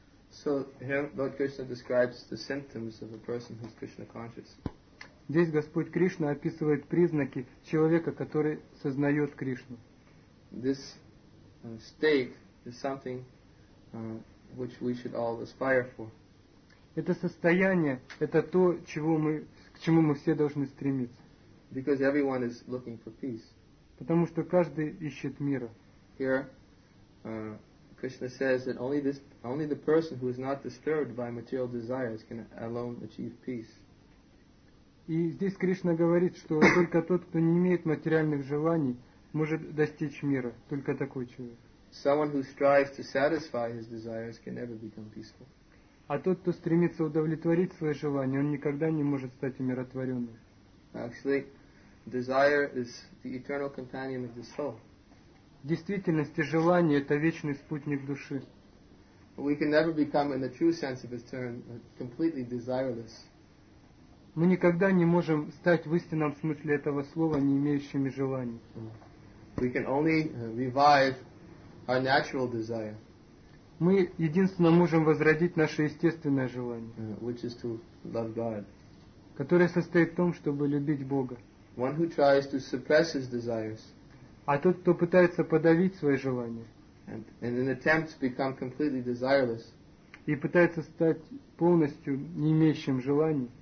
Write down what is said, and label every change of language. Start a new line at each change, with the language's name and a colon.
English: So here Lord Krishna describes the symptoms of a person who is Krishna conscious.
Russian: Здесь Господь Кришна описывает признаки человека, который сознает Кришну.
English: This state is something which we should all aspire for.
Russian: Это состояние, это то, к чему мы все должны стремиться.
English: Because everyone is looking for peace.
Russian: Потому что каждый ищет мира.
English: Here, Krishna says that only the person who is not disturbed by material desires can alone achieve peace.
Russian: И здесь Кришна говорит, что только тот, кто не имеет материальных желаний, может достичь мира. Только такой человек.
English: Someone who strives to satisfy his desires can never become peaceful.
Russian: А тот, кто стремится удовлетворить свои желания, он никогда не может стать умиротворенным.
English: Actually, desire is the eternal companion of the soul.
Russian: В действительности желание — это вечный спутник души.
English: We can never become, in the true sense of his term, completely desireless.
Russian: Мы никогда не можем стать в истинном смысле этого слова не имеющими желаний.
English: We can only revive our natural desire.
Russian: Мы единственно можем возродить наше естественное желание,
English: which is to love God.
Russian: Которое состоит в том, чтобы любить Бога.
English: One who tries to suppress his desires.
Russian: А тот, кто пытается подавить свои желания
English: and in attempts become completely desireless,
Russian: и пытается стать полностью не имеющим желаний,